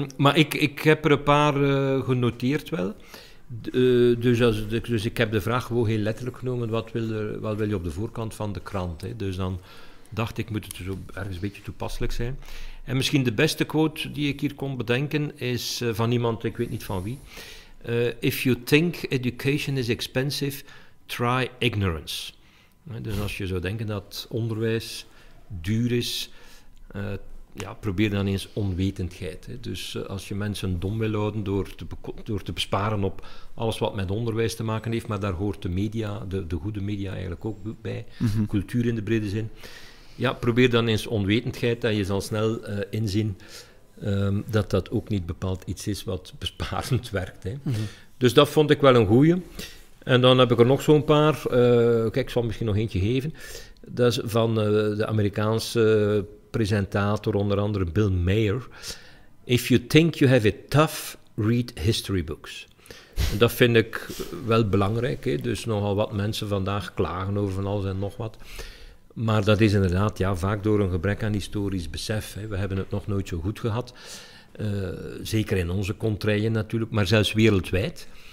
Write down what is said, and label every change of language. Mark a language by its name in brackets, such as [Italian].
[Dutch] Maar ik heb er een paar genoteerd wel. Dus ik heb de vraag gewoon heel letterlijk genomen. Wat wil je op de voorkant van de krant? Hè? Dus dan dacht ik, moet het zo ergens een beetje toepasselijk zijn. En misschien de beste quote die ik hier kon bedenken is van iemand, ik weet niet van wie. [English] If you think education is expensive, try ignorance. [Dutch] Dus als je zou denken dat onderwijs duur is, probeer dan eens onwetendheid. Hè. Dus als je mensen dom wil houden door te besparen op alles wat met onderwijs te maken heeft, maar daar hoort de media, de goede media eigenlijk ook bij, mm-hmm. cultuur in de brede zin. Ja, probeer dan eens onwetendheid en je zal snel inzien dat dat ook niet bepaald iets is wat besparend werkt. Hè. Mm-hmm. Dus dat vond ik wel een goeie. En dan heb ik er nog zo'n paar, ik zal misschien nog eentje geven. Dat is van de Amerikaanse presentator, onder andere Bill Maher. [English] If you think you have it tough, read history books. [Dutch] En dat vind ik wel belangrijk. Hè? Dus nogal wat mensen vandaag klagen over van alles en nog wat. Maar dat is inderdaad vaak door een gebrek aan historisch besef. Hè? We hebben het nog nooit zo goed gehad. Zeker in onze contraille natuurlijk, maar zelfs wereldwijd.